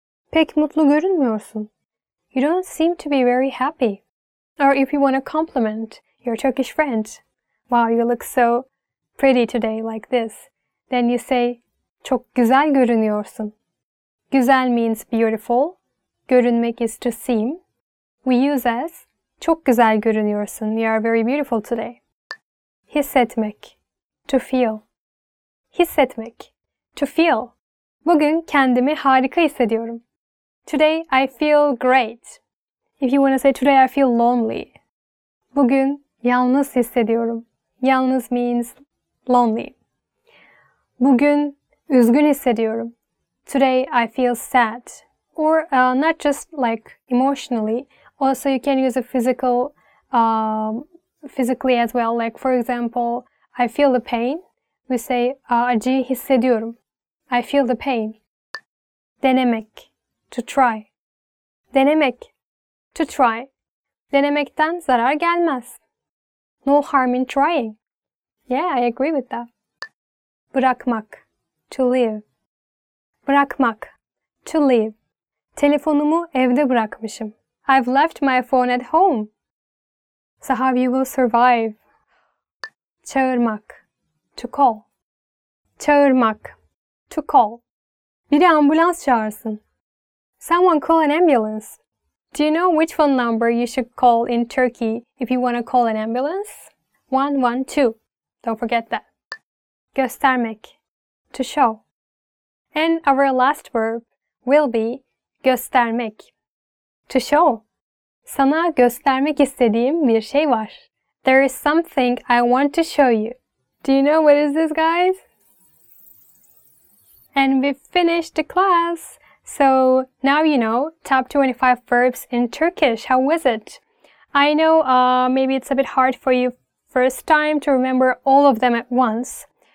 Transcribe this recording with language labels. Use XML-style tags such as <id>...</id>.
<tr>Pek mutlu görünmüyorsun.</tr> <en>You don't seem to be very happy. Or if you want to compliment your Turkish friend. Wow, you look so pretty today, like this. Then you say,</en> <tr>çok güzel görünüyorsun.</tr> <en>Güzel means beautiful. Görünmek is to seem. We use as,</en> <tr>çok güzel görünüyorsun.</tr> <en>You are very beautiful today. Hissetmek. To feel. Hissetmek. To feel.</en> <tr>Bugün kendimi harika hissediyorum.</tr> <en>Today I feel great. If you want to say today I feel lonely.</en> <tr>Bugün yalnız hissediyorum. Yalnız</tr> <en>means lonely.</en> <tr>Bugün üzgün hissediyorum.</tr> <en>Today I feel sad. Or not just like emotionally. Also you can use a physically as well. Like for example, I feel the pain. We say</en> <tr>acı hissediyorum.</tr> <en>I feel the pain. Denemek. To try. Denemek. To try.</en> <tr>Denemekten zarar gelmez.</tr> <en>No harm in trying. Yeah, I agree with that. Bırakmak. To leave. Bırakmak. To leave.</en> <tr>Telefonumu evde bırakmışım.</tr> <en>I've left my phone at home. So how you will survive? Çağırmak. To call. Çağırmak. To call.</en> <tr>Biri ambulans çağırsın.</tr> <en>Someone call an ambulance. Do you know which phone number you should call in Turkey if you want to call an ambulance? 112. Don't forget that. Göstermek. To show. And our last verb will be göstermek. To show.</en> <tr>Sana göstermek istediğim bir şey var.</tr> <en>There is something I want to show you. Do you know what is this, guys? And we finished the class. So now you know top 25 verbs in Turkish. How was it? I know maybe it's a bit hard for you first time to remember all of them at once.</en>